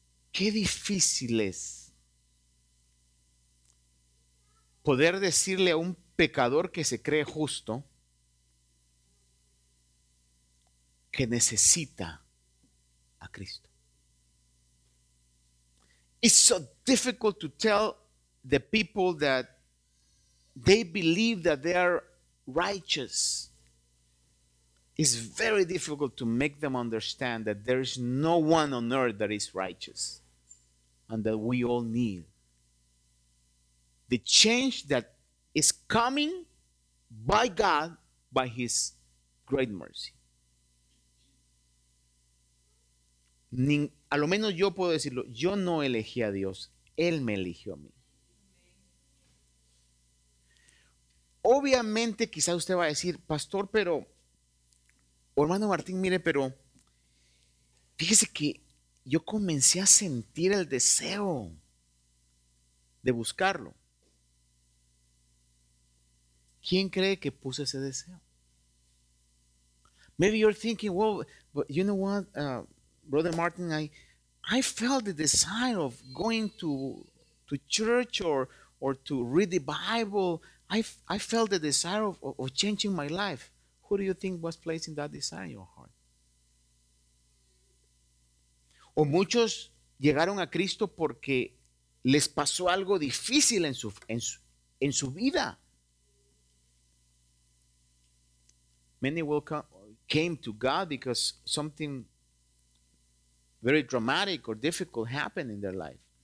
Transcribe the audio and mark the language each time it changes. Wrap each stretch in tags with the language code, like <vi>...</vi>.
<es>Qué difícil es poder decirle a un pecador que se cree justo que necesita a Cristo.</es> <en>It's so difficult to tell the people that they believe that they are righteous. It's very difficult to make them understand that there is no one on earth that is righteous and that we all need the change that is coming by God, by His great mercy.</en> <es>A lo menos yo puedo decirlo, yo no elegí a Dios, Él me eligió a mí. Obviamente quizás usted va a decir, pastor, pero, o hermano Martín, mire, pero fíjese que yo comencé a sentir el deseo de buscarlo. ¿Quién cree que puso ese deseo?</es> <en>Maybe you're thinking, well, but you know what, brother Martin, I felt the desire of going to church or to read the Bible. I felt the desire of changing my life. Who do you think was placing that desire in your heart?</en> <es>O muchos llegaron a Cristo porque les pasó algo difícil en su vida.</es> <en>Many will came to God because something very dramatic or difficult happened in their life.</en>